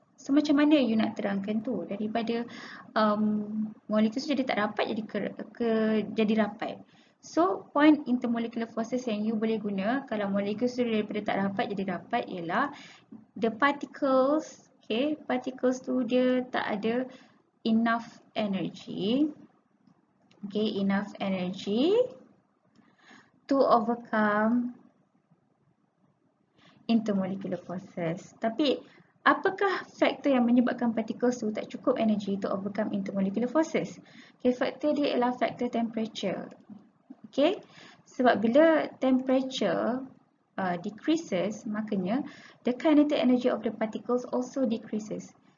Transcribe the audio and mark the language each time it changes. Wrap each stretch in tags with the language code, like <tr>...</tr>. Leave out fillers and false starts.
<ms>So macam mana you nak terangkan tu? Daripada molekul tu jadi tak rapat, jadi jadi rapat. So point intermolecular forces yang you boleh guna kalau molekul tu daripada tak rapat jadi rapat ialah the particles, okay? Particles tu dia tak ada enough energy.</ms> <en>Okay, enough energy to overcome intermolecular forces.</en> <ms>Tapi apakah faktor yang menyebabkan particles tu tak cukup energy to overcome intermolecular forces? Okay, faktor dia ialah faktor temperature.</ms> <en>Okay, sebab bila temperature decreases, makanya the kinetic energy of the particles also decreases.</en>